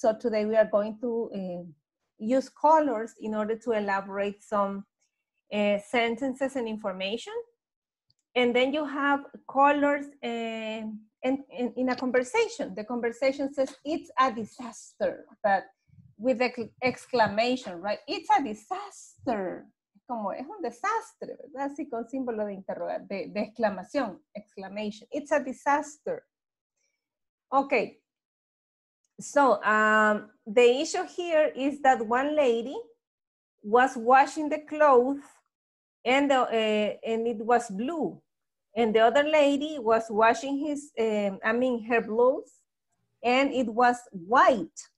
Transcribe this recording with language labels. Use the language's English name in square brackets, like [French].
[English] So today we are going to use colors in order to elaborate some sentences and information. And then you have colors in a conversation. The conversation says, it's a disaster, but with the exclamation, right? It's a disaster. [Spanish] Como es un desastre, ¿verdad? Así con símbolo de interrogación, de exclamación, exclamation. [English] It's a disaster. Okay. So the issue here is that one lady was washing the clothes and it was blue. And the other lady was washing her blouse and it was white.